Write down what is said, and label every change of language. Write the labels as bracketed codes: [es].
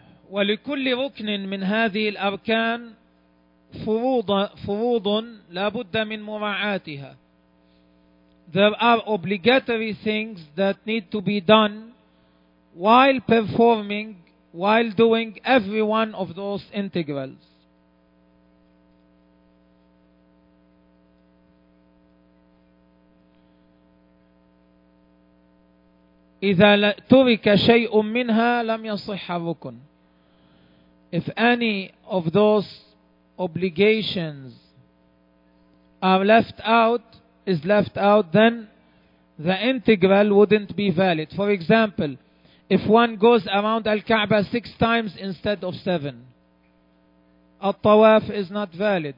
[ar] ولكل ركن من هذه الأركان فروض لا بد من مراعاتها. [en] There are obligatory things that need to be done while performing, while doing every one of those integrals. [ar] إذا ترك شيء منها لم يصح الركن. [en] If any of those obligations are left out, is left out, then the integral wouldn't be valid. For example, if one goes around Al-Kaaba 6 times instead of 7, Al-Tawaf is not valid.